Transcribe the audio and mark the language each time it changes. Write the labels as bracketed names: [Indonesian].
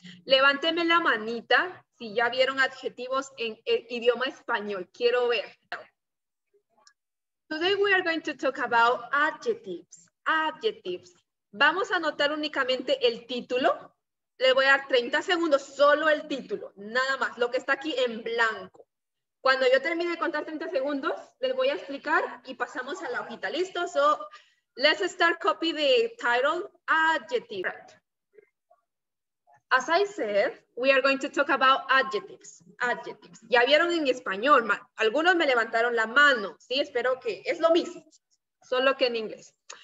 [Spanish] Levánteme la manita si ya vieron adjetivos en el idioma español. Quiero ver. [English] Today we are going to talk about adjectives. [Spanish] Adjectives. Vamos a anotar únicamente el título. Le voy a dar 30 segundos, solo el título, nada más, lo que está aquí en blanco. Cuando yo termine de contar 30 segundos, les voy a explicar y pasamos a la hojita. ¿Listo? [English] So, let's start copy the title, adjective. As I said, we are going to talk about adjectives. Adjectives. [Spanish] Ya vieron en español, algunos me levantaron la mano. Sí, espero que es lo mismo, solo que en inglés.